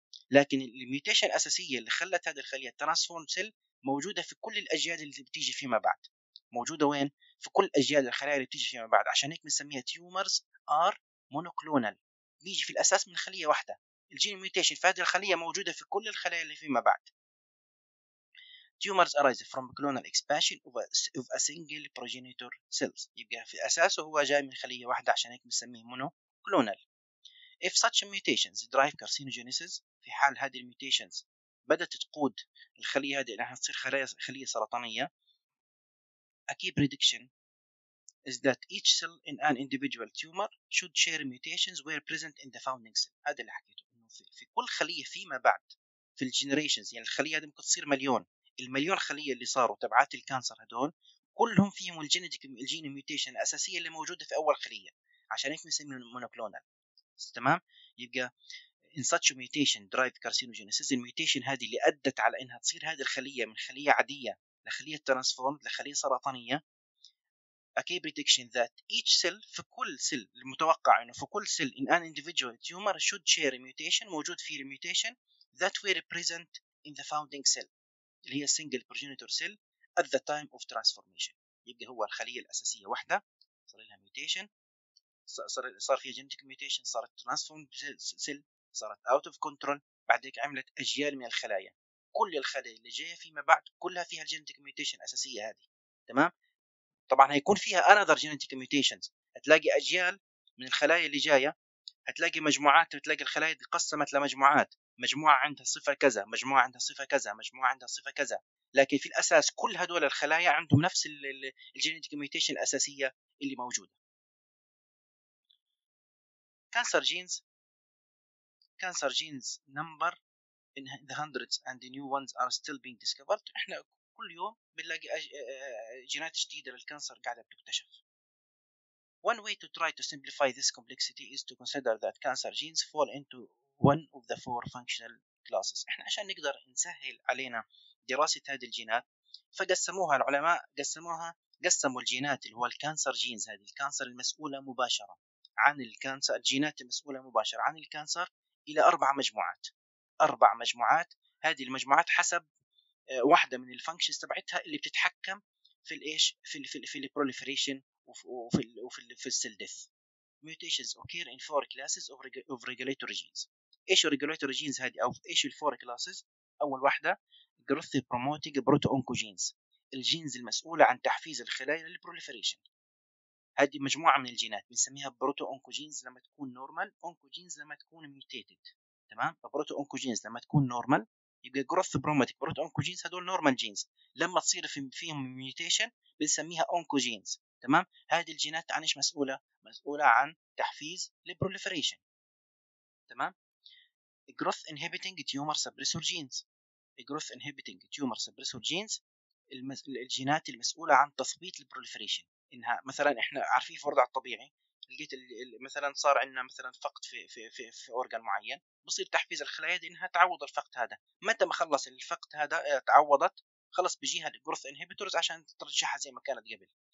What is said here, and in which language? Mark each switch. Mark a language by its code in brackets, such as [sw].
[ar] لكن الميوتيشن الاساسيه اللي خلت هذه الخليه ترانسفورم سيل موجوده في كل الاجيال اللي بتيجي فيما بعد، موجوده وين؟ في كل اجيال الخلايا اللي بتيجي فيما بعد، عشان هيك بنسميها تيومرز ار مونوكلونال، بيجي في الاساس من خليه واحده، الجين ميوتيشن في هذه الخليه موجوده في كل الخلايا اللي فيما بعد. [en] tumors arise from clonal expansion of a single progenitor cells, [ar] يبقى في اساسه هو جاي من خليه واحده عشان هيك بنسميه مونوكلونال. [en] If such mutations drive carcinogenesis، [ar] في حال هذه الميوتيشنز بدأت تقود الخلية هذه لأنها تصير خلية سرطانية، [en] a key prediction is that each cell in an individual tumor should share mutations where present in the founding cell. [ar] هذا اللي حكيته، إنه في كل خلية فيما بعد في الجينيريشنز، يعني الخلية هذه ممكن تصير مليون، المليون خلية اللي صاروا تبعات الكانسر هذول كلهم فيهم الجين ميوتيشن الأساسية اللي موجودة في أول خلية، عشان هيك بنسميهم مونوكلونال. [en] تمام، يبقى in such a mutation drive carcinogenesis، [ar] الميوتيشن هذه اللي ادت على انها تصير هذه الخليه من خليه عاديه لخليه ترانسفورم لخليه سرطانيه، [en] a key prediction that each cell، [ar] في كل سيل المتوقع انه في كل سيل [en] in an individual tumor should share a mutation، [ar] موجود فيه الميوتيشن [en] that were present in the founding cell اللي هي single progenitor cell at the time of transformation. [ar] يبقى هو الخليه الاساسيه واحده صار لها ميوتيشن، صار فيها جينيتيك ميوتيشن، صارت ترانسفورم سيل، صارت اوت اوف كنترول، بعد هيك عملت اجيال من الخلايا، كل الخلايا اللي جايه فيما بعد كلها فيها الجينيتيك ميوتيشن الاساسيه هذه. تمام، طبعا هيكون فيها انذر جينيتيك ميوتيشنز، هتلاقي اجيال من الخلايا اللي جايه، هتلاقي مجموعات، هتلاقي الخلايا دي قسمت لمجموعات، مجموعه عندها صفه كذا، مجموعه عندها صفه كذا، مجموعه عندها صفه كذا، لكن في الاساس كل هذول الخلايا عندهم نفس الجينيتيك ميوتيشن الاساسيه اللي موجوده. [en] Cancer genes number in the hundreds and the new ones are still being discovered. [ar] إحنا كل يوم بنلاقي جينات جديدة للكانسر قاعدة بتكتشف. [en] One way to try to simplify this complexity is to consider that cancer genes fall into one of the four functional classes. [ar] احنا عشان نقدر نسهل علينا دراسة هذه الجينات فقسموها العلماء قسموا الجينات اللي هو الكانسر جينز هذه الكانسر المسؤولة مباشرة عن الكانسر الجينات المسؤولة مباشرة عن الكانسر إلى أربع مجموعات هذه المجموعات حسب واحدة من الفانكشنز تبعتها اللي بتتحكم في الإيش في البروليفريشن وفي السيل ديث. [en] Mutations occur in four classes of regulatory genes. [ar] إيش الريجوليتوري جينز هذه أو إيش الفور كلاسز؟ أول واحدة [en] growth promoting proto-oncogenes [ar] الجينز المسؤولة عن تحفيز الخلايا للبروليفريشن. هذه مجموعة من الجينات بنسميها proto-oncogenes لما تكون normal, oncogenes لما تكون mutated. تمام؟ proto-oncogenes لما تكون normal يبقى [en] growth promoting proto-oncogenes [ar] هدول normal genes. لما تصير فيهم mutation بنسميها oncogenes. تمام؟ هذه الجينات عن إيش مسؤولة؟ مسؤولة عن تحفيز البروليفريشن. تمام؟ [en] growth inhibiting tumor suppressor genes [ar] growth inhibiting tumor suppressor genes الجينات المسؤولة عن تثبيط البروليفريشن انها مثلا احنا عارفين في الوضع الطبيعي لقيت مثلا صار عندنا مثلا فقد في في في في اورجان معين بصير تحفيز الخلايا دي انها تعوض الفقد هذا متى ما خلص الفقد هذا تعوضت خلص بيجيها growth inhibitors عشان ترجعها زي ما كانت قبل